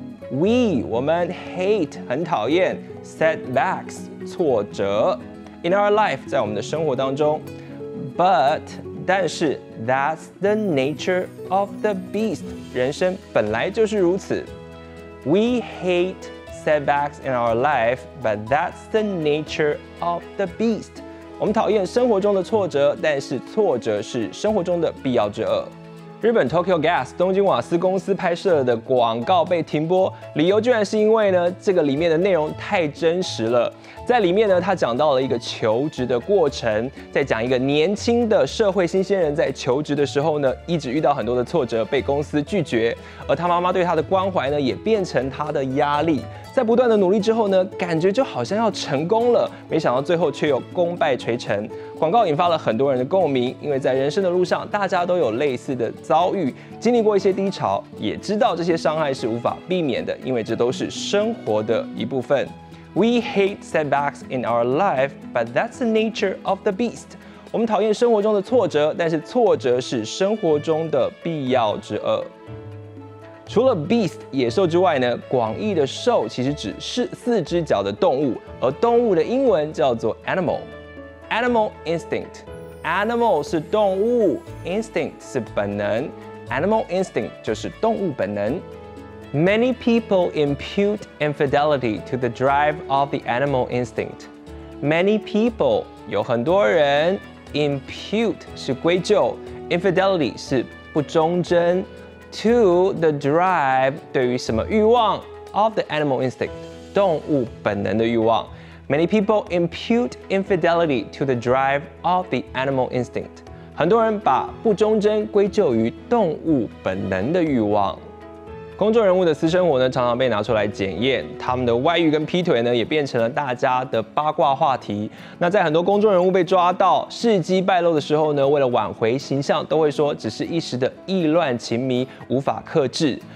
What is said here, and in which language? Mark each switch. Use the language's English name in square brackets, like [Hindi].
[English] We [Chinese] 们 [English] hate [Chinese] 很讨厌 [English] setbacks [Chinese] 挫折 [English] in our life [Chinese] 在我们的生活当中 ， [English] but [Chinese] 但是 [English] that's the nature of the beast [Chinese] 人生本来就是如此。 [English] We hate setbacks in our life, but that's the nature of the beast. [Chinese] 我们讨厌生活中的挫折，但是挫折是生活中的必要之恶。日本 Tokyo Gas 东京瓦斯公司拍摄的广告被停播，理由居然是因为呢，这个里面的内容太真实了。在里面呢，他讲到了一个求职的过程，在讲一个年轻的社会新鲜人在求职的时候呢，一直遇到很多的挫折，被公司拒绝，而他妈妈对他的关怀呢，也变成他的压力。在不断的努力之后呢，感觉就好像要成功了，没想到最后却又功败垂成。广告引发了很多人的共鸣，因为在人生的路上，大家都有类似的遭遇，经历过一些低潮，也知道这些伤害是无法避免的，因为这都是生活的一部分。 [English] We hate setbacks in our life, but that's the nature of the beast. [Chinese] 我们讨厌生活中的挫折，但是挫折是生活中的必要之恶。除了 beast 野兽之外呢，广义的兽其实指是四只脚的动物，而动物的英文叫做 animal。 Animal instinct. Animal 是动物 ，instinct 是本能。 Animal instinct 就是动物本能。 [English] Many people impute infidelity to the drive of the animal instinct. Many people [Chinese] 有很多人 [English] impute [Chinese] 是归咎 ， [English] infidelity [Chinese] 是不忠贞 ， [English] to the drive [Chinese] 对于什么欲望 [English] of the animal instinct [Chinese] 动物本能的欲望。 [English] Many people impute infidelity to the drive of the animal instinct. [Chinese] 很多人把不忠贞归咎于动物本能的欲望。公众人物的私生活呢，常常被拿出来检验，他们的外遇跟劈腿呢，也变成了大家的八卦话题。那在很多公众人物被抓到事迹败露的时候呢，为了挽回形象，都会说只是一时的意乱情迷，无法克制。